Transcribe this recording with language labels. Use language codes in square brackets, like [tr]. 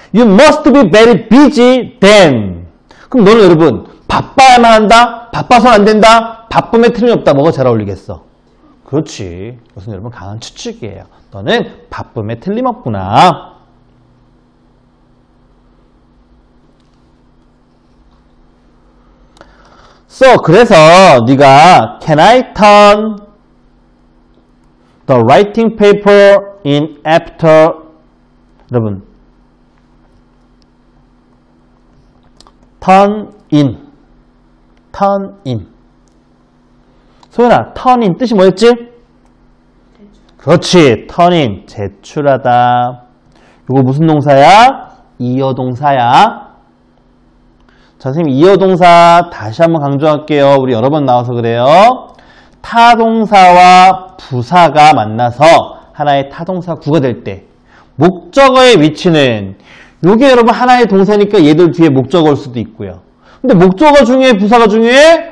[en] You must be very busy then. [ko] 그럼 너는 여러분 바빠야만 한다? 바빠서는 안 된다? 바쁨에 틀림없다. 뭐가 잘 어울리겠어? 그렇지. 그것은 여러분 강한 추측이에요. 너는 바쁨에 틀림없구나. 그래서 네가 [en] Can I turn the writing paper in after [ko] 여러분 turn in 소연아 turn in 뜻이 뭐였지? 그렇지 turn in 제출하다 이거 무슨 동사야? 이어 동사야 자, 선생님 이어 동사 다시 한번 강조할게요 우리 여러 번 나와서 그래요 타동사와 부사가 만나서 하나의 타동사 구가 될 때 목적어의 위치는 요게 여러분 하나의 동사니까 얘들 뒤에 목적어 올 수도 있고요 근데 목적어 중에 부사가 중요해?